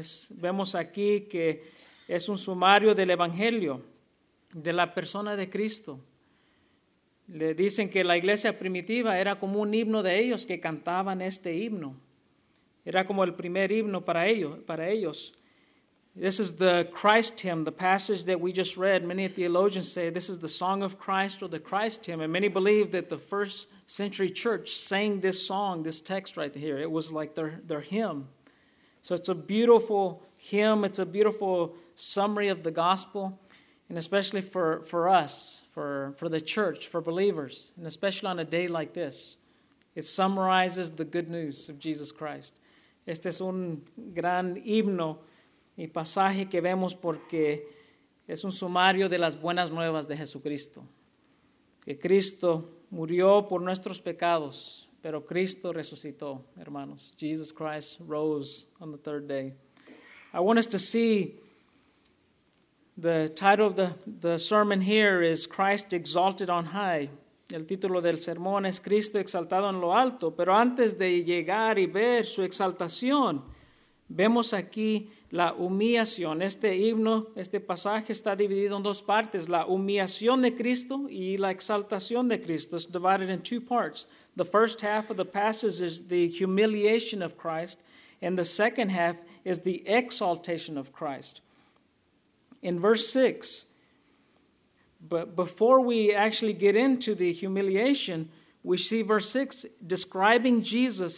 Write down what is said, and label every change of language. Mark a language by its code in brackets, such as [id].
[es] Vemos aquí que es un sumario del Evangelio, de la persona de Cristo. Le dicen que la iglesia primitiva era como un himno de ellos que cantaban este himno. Era como el primer himno para ellos. [en] This is the Christ hymn, the passage that we just read. Many theologians say this is the song of Christ or the Christ hymn. And many believe that the first century church sang this song, this text right here. It was like their hymn. So it's a beautiful hymn. It's a beautiful summary of the gospel. And especially for us, for the church, for believers, and especially on a day like this, it summarizes the good news of Jesus Christ. [es] Este es un gran himno y pasaje que vemos porque es un sumario de las buenas nuevas de Jesucristo. Que Cristo murió por nuestros pecados, pero Cristo resucitó, hermanos. [en] Jesus Christ rose on the third day. I want us to see the title of the sermon here is Christ Exalted on High. [es] El título del sermón es Cristo Exaltado en lo Alto. Pero antes de llegar y ver su exaltación, vemos aquí la humillación. Este himno, este pasaje está dividido en dos partes. La humillación de Cristo y la exaltación de Cristo. [en] It's divided in two parts. The first half of the passage is the humiliation of Christ. And the second half is the exaltation of Christ. In verse 6, but before we actually get into the humiliation, we see verse 6 describing Jesus.